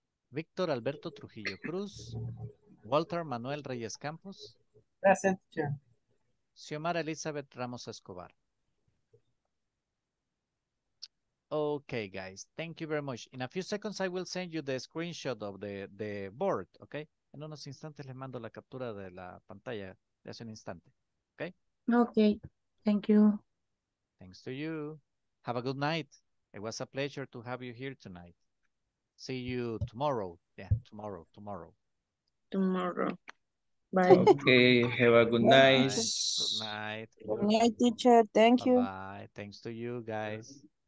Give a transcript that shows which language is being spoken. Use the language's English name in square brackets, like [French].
[English] Víctor Alberto Trujillo Cruz. Walter Manuel Reyes Campos. Present, teacher. Xiomara Elizabeth Ramos Escobar. Okay, guys. Thank you very much. In a few seconds, I will send you the screenshot of the board, okay? [Spanish] En unos instantes les mando la captura de la pantalla de hace un instante, okay? [English] Okay. Thank you. Thanks to you. Have a good night. It was a pleasure to have you here tonight. See you tomorrow. Yeah, tomorrow, tomorrow. Tomorrow. Bye. Okay, have a good night. Good night. Good night, teacher. Thank you. Bye. Thanks to you, guys.